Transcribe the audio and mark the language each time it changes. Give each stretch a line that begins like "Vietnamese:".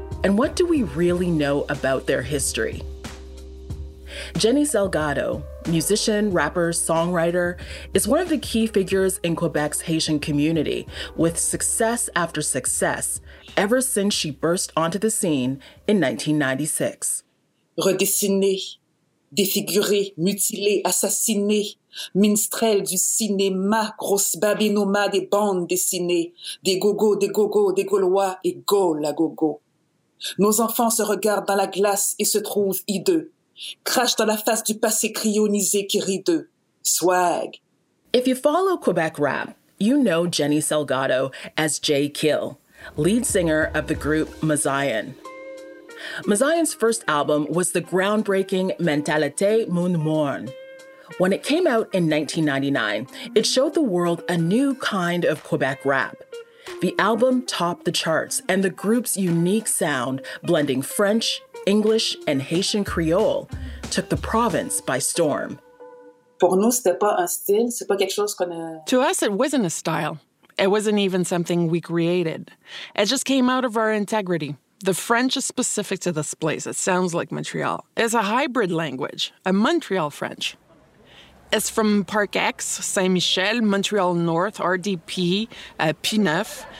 English: And what do we really know about their history? Jenny Salgado, musician, rapper, songwriter, is one of the key figures in Quebec's Haitian community, with success after success, ever since she burst onto the scene in 1996.
French: Redessiné, défiguré, mutilé, assassiné, minstrel du cinéma, grosse babinoma des bandes dessinées, des gogos, des gaulois et gaules à gogo. Nos enfants se regardent dans la glace et se trouvent hideux. Crash dans la face du passé cryonisé qui rit d'eux.
English: Swag. If you follow Quebec rap, you know Jenny Salgado as Jay Kill, lead singer of the group Mazayan. Mazayan's first album was the groundbreaking Mentalité Moon Morn. When it came out in 1999, it showed the world a new kind of Quebec rap. The album topped the charts, and the group's unique sound, blending French, English, and Haitian Creole, took the province by storm.
French: Pour nous, c'était pas un style, c'est pas quelque chose qu'on a...
English: To us, it wasn't a style. It wasn't even something we created. It just came out of our integrity. The French is specific to this place. It sounds like Montreal. It's a hybrid language, a Montreal French. It's from Parc X, Saint-Michel, Montreal North, RDP, P9.